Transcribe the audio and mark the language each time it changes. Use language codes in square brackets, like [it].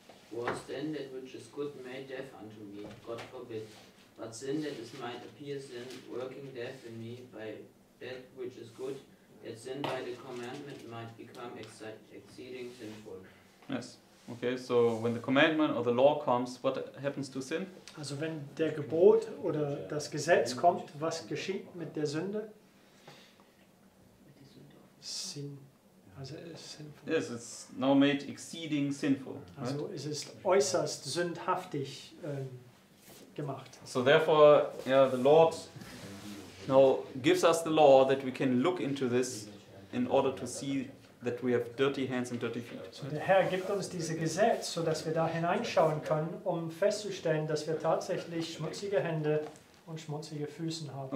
[en] Was then that which is good made death unto me? God forbid. But sin that is might appear sin, working death in me by that which is good, that sin by the commandment might become exceeding sinful. Yes. Okay, so when the commandment or the law comes, what happens to sin? [de] Also wenn der Gebot oder das Gesetz kommt, was geschieht mit der Sünde? [en] Sin. Also sinful. Yes, it's now made exceeding sinful. [de] Also [en] right? [de] Es ist äußerst sündhaftig gemacht. [en] So therefore, yeah, the Lord now gives us the law that we can look into this in order to see that we have dirty hands and dirty feet. [de] So der Herr gibt uns diese Gesetz, so dass wir da hineinschauen können, um festzustellen, dass wir tatsächlich schmutzige Hände und schmutzige Füße haben.